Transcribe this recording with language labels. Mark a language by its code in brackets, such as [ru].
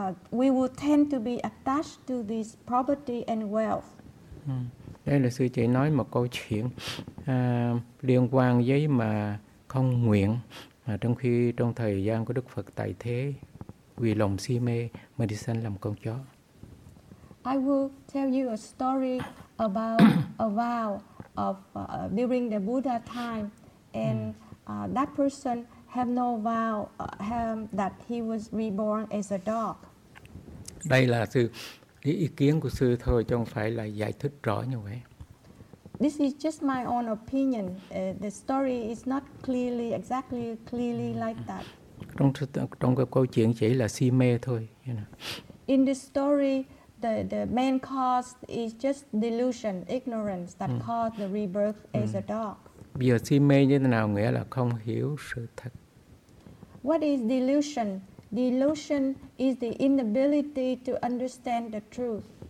[en] We will tend to be attached to this property and wealth. [vi] Đây là sư chỉ nói một câu chuyện liên quan với mà không nguyện, mà trong khi trong thời gian của Đức Phật tại thế, vì lòng si mê mà đi sanh làm con chó. [en] I will tell you a story about a vow of during the Buddha time, and that person have no vow that he was reborn as a dog. [vi] Đây là sư cái ý kiến của sư thôi, chứ không phải là giải thích rõ như vậy. [en] This is just my own opinion. The story is not clearly like that. [vi] Trong cái câu chuyện chỉ là si mê thôi, [en] you know. In the story, the main cause is just delusion, ignorance that caused the rebirth as a dog. [vi] Bây giờ si mê như thế nào, nghĩa là không hiểu sự thật. [en] What is delusion? Delusion is the inability to understand the truth.